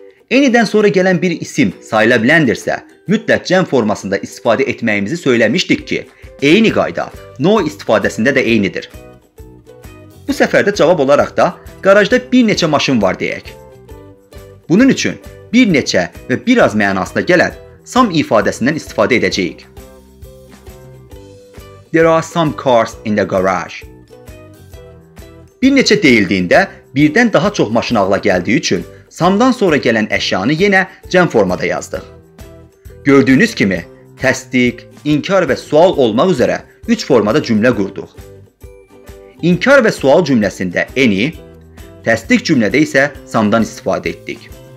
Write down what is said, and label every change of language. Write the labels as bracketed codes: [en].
[az] Anydən sonra gələn bir isim sayıla biləndirsə, mütləq cəm formasında istifadə etməyimizi söyləmişdik ki, eyni qayda no istifadəsində də eynidir. Bu səfərdə cavab olaraq da qarajda bir neçə maşın var deyək. Bunun üçün bir neçə və bir az mənasına gələn some ifadəsindən istifadə edəcəyik. [en] There are some cars in the garage. [az] Bir neçə deyildiyində birdən daha çox maşın ağla gəldiyi üçün some-dan sonra gələn əşyanı yenə cəm formada yazdıq. Gördüyünüz kimi, təsdiq, inkar və sual olmaq üzərə 3 formada cümlə qurduq. İnkar və sual cümləsində any, təsdiq cümlədə isə some-dan istifadə etdik.